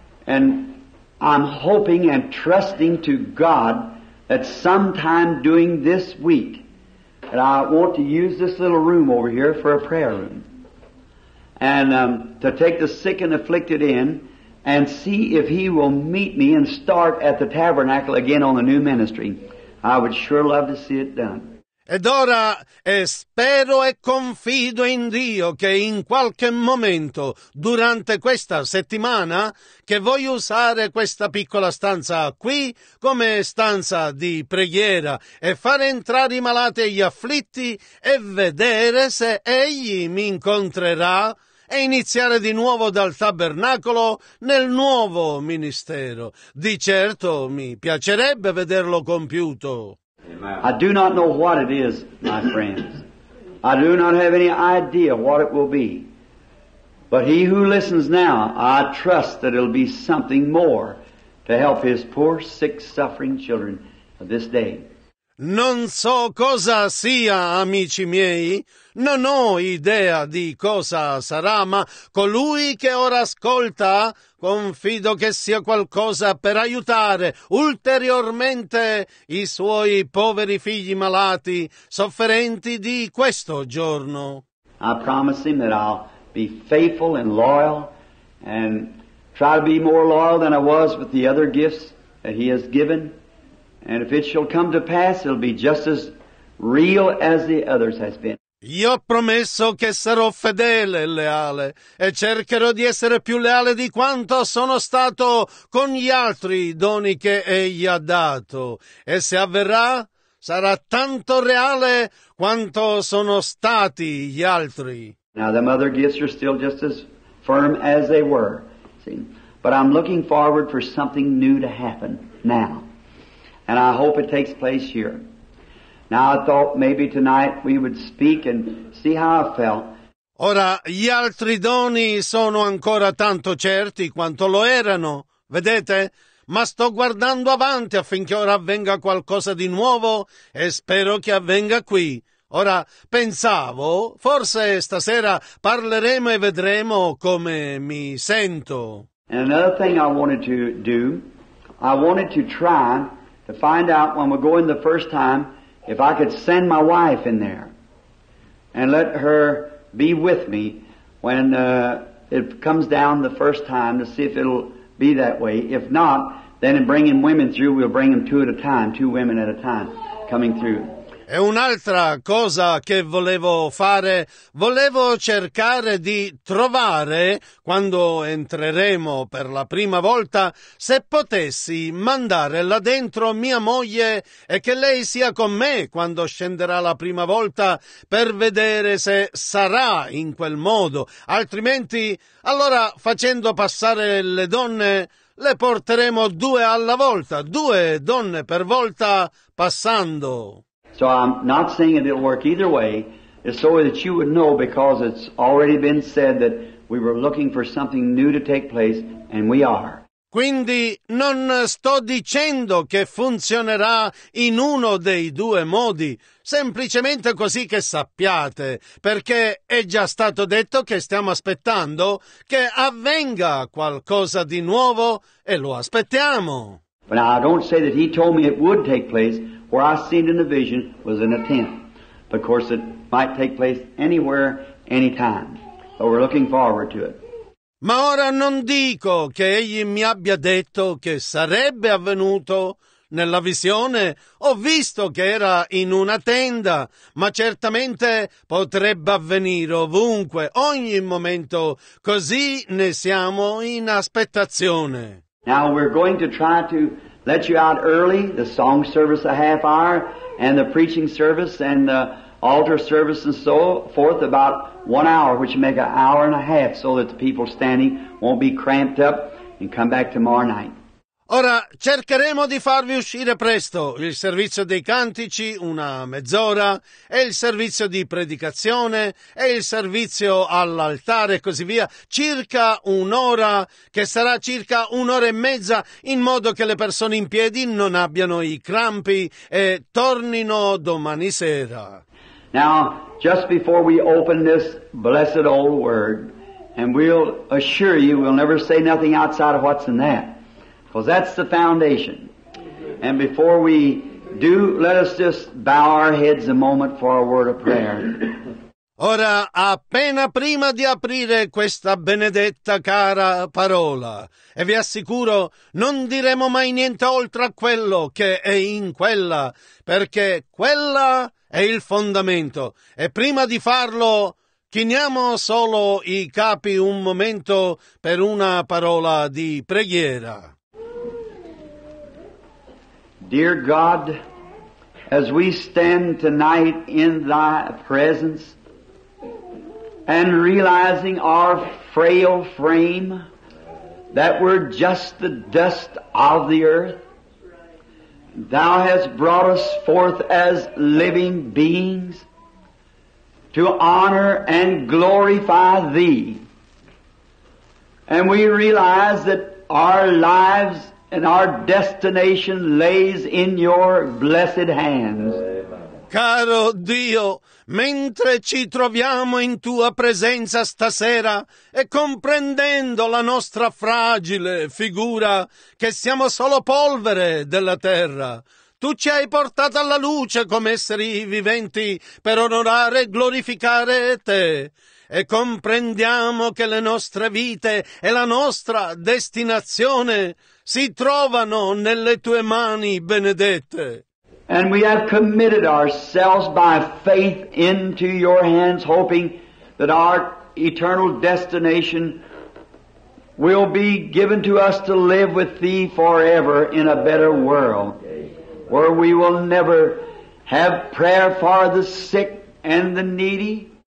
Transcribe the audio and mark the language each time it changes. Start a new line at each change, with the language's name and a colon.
English: And I'm hoping and trusting to God that sometime during this week, that I want to use this little room over here for a prayer room, and to take the sick and afflicted in, and see if he will meet me and start at the tabernacle again on the new ministry. I would sure love to see it done.
Italian: Ed ora spero e confido in Dio che in qualche momento durante questa settimana che voglio usare questa piccola stanza qui come stanza di preghiera e far entrare i malati e gli afflitti e vedere se egli mi incontrerà e iniziare di nuovo dal tabernacolo nel nuovo ministero. Di certo mi piacerebbe vederlo compiuto.
English: I do not know what it is, my friends. I do not have any idea what it will be. But he who listens now, I trust that it'll be something more to help his poor, sick, suffering children of this day.
Italian: Non so cosa sia, amici miei. Non ho idea di cosa sarà, ma colui che ora ascolta, confido che sia qualcosa per aiutare ulteriormente i suoi poveri figli malati, sofferenti di questo giorno.
English: I promise him that I'll be faithful and loyal and try to be more loyal than I was with the other gifts that he has given. And if it shall come to pass, it'll be just as real as the others has been.
Italian: Io ho promesso che sarò fedele e leale e cercherò di essere più leale di quanto sono stato con gli altri doni che egli ha dato. E se avverrà, sarà tanto reale quanto sono stati gli altri.
English: Now the other gifts are still just as firm as they were. See? But I'm looking forward for something new to happen now. And I hope it takes place here. Now I thought maybe tonight we would speak and see how I felt.
Italian: Ora, gli altri doni sono ancora tanto certi quanto lo erano, vedete? Ma sto guardando avanti affinché ora avvenga qualcosa di nuovo e spero che avvenga qui. Ora, pensavo, forse stasera parleremo e vedremo come mi sento.
English: And another thing I wanted to do, I wanted to try to find out when we're going the first time if I could send my wife in there and let her be with me when it comes down the first time to see if it'll be that way. If not, then in bringing women through, we'll bring them two at a time, two women at a time coming through.
Italian: E un'altra cosa che volevo fare, volevo cercare di trovare, quando entreremo per la prima volta, se potessi mandare là dentro mia moglie e che lei sia con me quando scenderà la prima volta per vedere se sarà in quel modo. Altrimenti, allora facendo passare le donne, le porteremo due alla volta, due donne per volta passando.
English: So I'm not saying it will work either way. It's so that you would know, because it's already been said that we were looking for something new to take place, and we are.
Italian: Quindi non sto dicendo che funzionerà in uno dei due modi, semplicemente così che sappiate, perché è già stato detto che stiamo aspettando che avvenga qualcosa di nuovo e lo aspettiamo.
English: But I don't say that he told me it would take place. Where I seen in the vision was in a tent. But of course, it might take place anywhere, anytime. But we're looking forward to it.
Italian: Ma ora non dico che egli mi abbia detto che sarebbe avvenuto nella visione. Ho visto che era in una tenda, ma certamente potrebbe avvenire ovunque, ogni momento. Così ne siamo in aspettazione.
English: Now we're going to try to let you out early, the song service a half hour, and the preaching service and the altar service and so forth about 1 hour, which make an hour and a half, so that the people standing won't be cramped up and come back tomorrow night.
Italian: Ora cercheremo di farvi uscire presto, il servizio dei cantici una mezz'ora e il servizio di predicazione e il servizio all'altare e così via, circa un'ora, che sarà circa un'ora e mezza, in modo che le persone in piedi non abbiano i crampi e tornino domani sera.
English: Now, just before we open this blessed old word, and we'll assure you we'll never say nothing outside of what's in that. Because that's the foundation. And before we do, let us just bow our heads a moment for a word of prayer.
Italian: Ora, appena prima di aprire questa benedetta cara parola, e vi assicuro, non diremo mai niente oltre a quello che è in quella, perché quella è il fondamento. E prima di farlo, chiniamo solo i capi un momento per una parola di preghiera.
English: Dear God, as we stand tonight in Thy presence and realizing our frail frame, that we're just the dust of the earth, Thou hast brought us forth as living beings to honor and glorify Thee. And we realize that our lives and our destination lays in your blessed hands.
Italian: Caro Dio, mentre ci troviamo in tua presenza stasera e comprendendo la nostra fragile figura, che siamo solo polvere della terra, tu ci hai portato alla luce come esseri viventi per onorare e glorificare te. E comprendiamo che le nostre vite e la nostra destinazione si trovano nelle tue mani benedette.
English: And we have committed ourselves by faith into your hands, hoping that our eternal destination will be given to us to live with thee forever in a better world, where we will never have prayer for the sick and the needy.